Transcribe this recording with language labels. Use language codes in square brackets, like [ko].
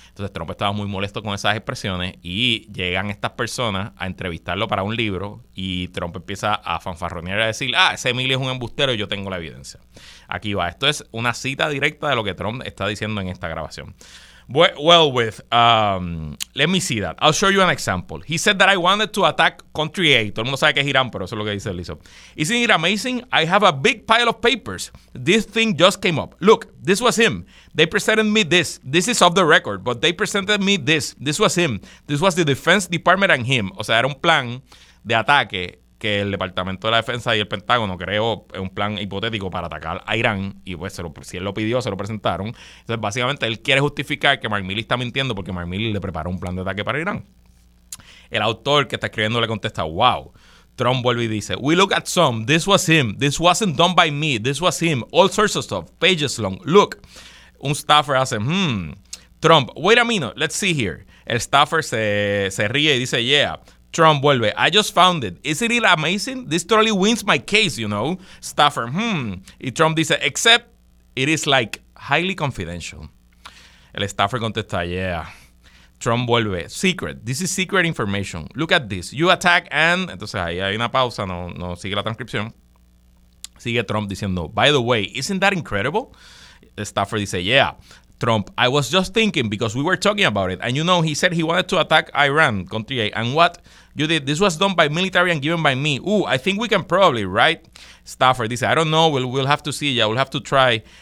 [es] Entonces Trump estaba muy molesto con esas expresiones y llegan estas personas a entrevistarlo para un libro y Trump empieza a fanfarronear y a decir, ah, ese Milley es un embustero y yo tengo la evidencia. Aquí va, esto es una cita directa de lo que Trump está diciendo en esta grabación. [en] Well, with, let me see that. I'll show you an example. He said that I wanted to attack country A. [es] Todo el mundo sabe que es Irán, pero eso es lo que dice Lizo. [en] Isn't it amazing? I have a big pile of papers. This thing just came up. Look, this was him. They presented me this. This is off the record, but they presented me this. This was him. This was the Defense Department and him. [es] O sea, era un plan de ataque que el Departamento de la Defensa y el Pentágono creó un plan hipotético para atacar a Irán y pues si él lo pidió, se lo presentaron. Entonces, básicamente, él quiere justificar que Mark Milley está mintiendo porque Mark Milley le preparó un plan de ataque para Irán. El autor que está escribiendo le contesta, [en] wow. [es] Trump vuelve y dice, [en] we look at some. This was him. This wasn't done by me. This was him. All sorts of stuff. Pages long. Look. [es] Un staffer hace, Trump, [en] wait a minute. Let's see here. [es] El staffer se ríe y dice, [en] yeah. [es] Trump vuelve, [en] I just found it. Isn't it amazing? This totally wins my case, you know. Staffer, [es] Y Trump dice, [en] except it is like highly confidential. [es] El staffer contesta, [en] yeah. [es] Trump vuelve, [en] secret. This is secret information. Look at this. You attack and... [es] Entonces ahí hay una pausa, no sigue la transcripción. Sigue Trump diciendo, [en] by the way, isn't that incredible? [es] El staffer dice, [en] yeah. Trump, I was just thinking because we were talking about it. And you know, he said he wanted to attack Iran, country A. And what you did, this was done by military and given by me. Ooh, I think we can probably, right? [es] Staffer dice, [en] I don't know. We'll have to see. Yeah, we'll have to try.